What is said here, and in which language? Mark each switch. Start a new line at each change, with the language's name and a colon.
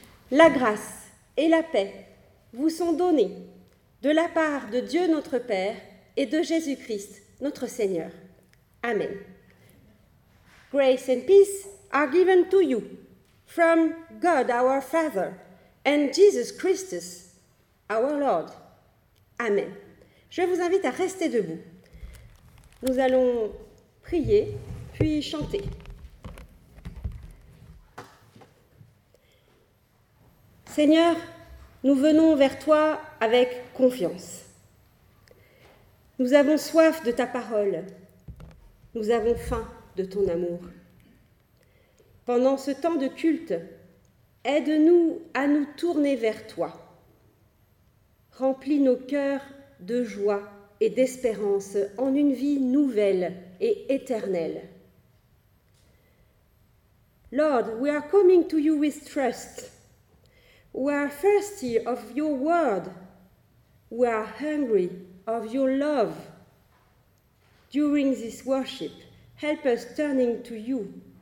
French: La grâce et la paix vous sont données de la part de Dieu notre Père et de Jésus-Christ notre Seigneur. Amen.
English: Grace and peace are given to you from God our Father and Jesus Christ our Lord.
French: Amen. Je vous invite à rester debout. Nous allons prier puis chanter. Seigneur, nous venons vers toi avec confiance. Nous avons soif de ta parole. Nous avons faim de ton amour. Pendant ce temps de culte, aide-nous à nous tourner vers toi. Remplis nos cœurs de joie et d'espérance en une vie nouvelle et éternelle.
English: Lord, we are coming to you with trust. We are thirsty of your word. We are hungry of your love. During this worship, help us turning to you.